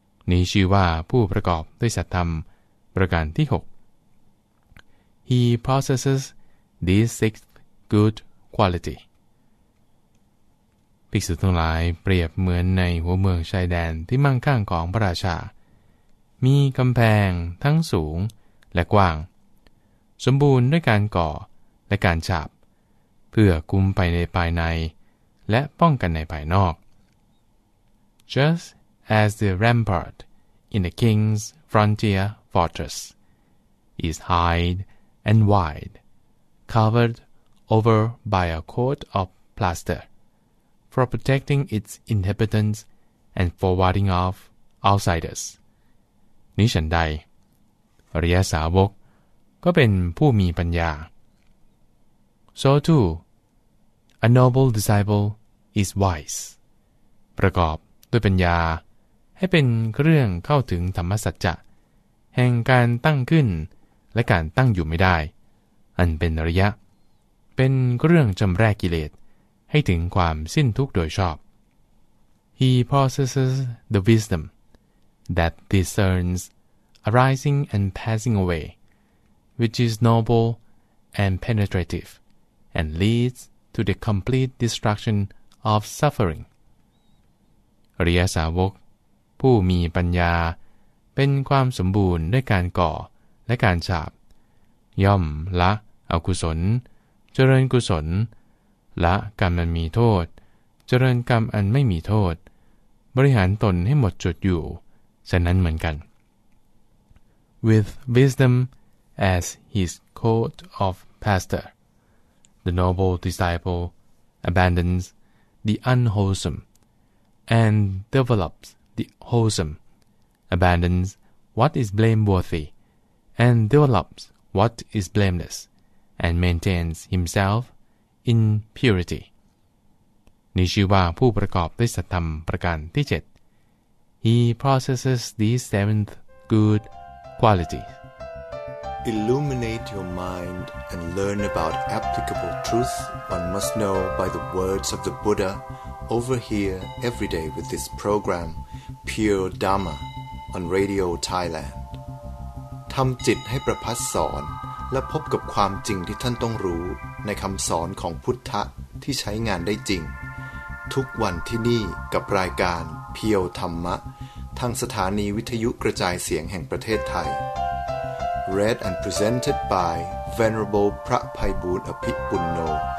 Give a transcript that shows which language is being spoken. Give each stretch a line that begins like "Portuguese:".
Thai: นี้ชื่อว่าผู้ประกอบด้วยสัทธรรมประการที่6.
English: He possesses this sixth good quality.
Thai: ภิกษุทั้งหลายเปรียบเหมือนในหัวเมืองชายแดนที่มั่งคั่งของพระราชามีกำแพงทั้งสูงและกว้างสมบูรณ์ด้วยการก่อและการฉาบเพื่อคุ้มไปในภายในและป้องกันในภายนอก
English: Just as the rampart in the king's frontier fortress is high and wide, covered over by a coat of plaster, for protecting its inhabitants and for warding off outsiders.
Thai: นี้ฉันใดอริยสาวกก็เป็นผู้มีปัญญา
English: So too, a noble disciple is wise
Thai: ประกอบด้วยปัญญาให้เป็นเรื่องเข้าถึงธรรมสัจจะแห่งการตั้งขึ้นและการตั้งอยู่ไม่ได้อันเป็นอริยะเป็นเรื่องจำแรกกิเลสให้ถึงความสิ้นทุกข์โดยชอบ
English: He possesses the wisdom that discerns arising and passing away which is noble and penetrative and leads to the complete destructionof suffering.
Thai: อริยสาวกผู้มีปัญญาเป็นความสมบูรณ์ด้วยการก่อและการฉาบย่อมละอกุศลเจริญกุศลละกรรมอันมีโทษเจริญกรรมอันไม่มีโทษบริหารตนให้หมดจดอยู่ฉะนั้นเหมือนกัน
English: With wisdom as his coat of plaster, the noble disciple abandonsthe unwholesome, and develops the wholesome, abandons what is blameworthy, and develops what is blameless, and maintains himself in purity.
Thai: นี้ชื่อว่าผู้ประกอบด้วยสัทธรรมประการที่7.
English: He possesses these seventh good qualities. Illuminate your mind and learn about applicable truth one must know by the words of the Buddha over here every day with this program Pure Dharma on Radio Thailand.
Thai: ทำจิตให้ประพัสสอนและพบกับความจริงที่ท่านต้องรู้ในคำสอนของพุทธะที่ใช้งานได้จริงทุกวันที่นี่กับรายการ Pure Dharma ทางสถานีวิทยุกระจายเสียงแห่งประเทศไทย
English: Read and presented by Venerable Pra Phaibun Aphipunno